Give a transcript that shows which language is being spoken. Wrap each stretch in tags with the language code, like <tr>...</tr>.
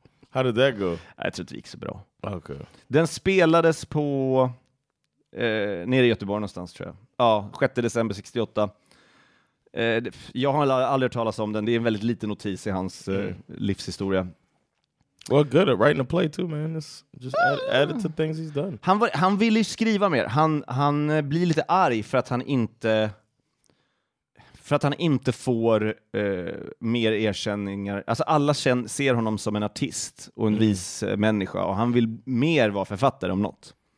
<en>How did that go?</en> <sv>Jag tror att det gick så bra.</sv> <en>Okay.</en> <sv>Den spelades på nere i Göteborg någonstans, tror jag. Ja, 6 december 68. Jag har aldrig hört talas om den. Det är en väldigt liten notis i hans livshistoria.</sv> <en>Well, good at writing a play too, man. It's just added to things he's done.</en> <sv>Han ville ju skriva mer. Han blir lite arg för att han inte... För att han inte får mer erkänningar. Alltså alla ser honom som en artist och en vis människa. Och han vill mer vara författare om något.</sv>